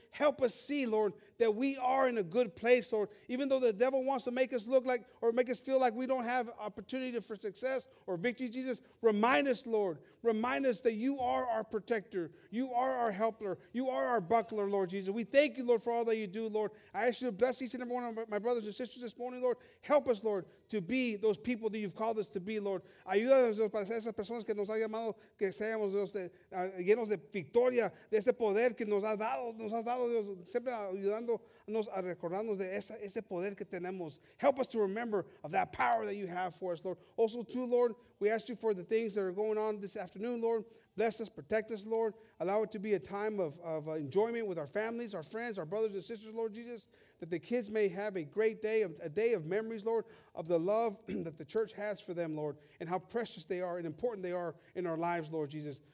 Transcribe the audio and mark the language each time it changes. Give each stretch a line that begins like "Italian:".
English: Help us see, Lord, that we are in a good place, Lord. Even though the devil wants to make us look like or make us feel like we don't have opportunity for success or victory, Jesus, remind us, Lord. Remind us that you are our protector. You are our helper. You are our buckler, Lord Jesus. We thank you, Lord, for all that you do, Lord. I ask ask you to bless each and every one of my brothers and sisters this morning, Lord. Help us, Lord, to be those people that you've called us to be, Lord.
Spanish: Ayúdanos, Dios, para ser esas personas que nos ha llamado, que seamos, Dios, llenos de victoria, de ese poder que nos has dado, Dios, siempre ayudándonos a recordarnos de ese poder que tenemos.
English: Help us to remember of that power that you have for us, Lord. Also, too, Lord, we ask you for the things that are going on this afternoon, Lord. Bless us, protect us, Lord. Allow it to be a time of enjoyment with our families, our friends, our brothers and sisters, Lord Jesus, that the kids may have a great day, a day of memories, Lord, of the love that the church has for them, Lord, and how precious they are and important they are in our lives, Lord Jesus.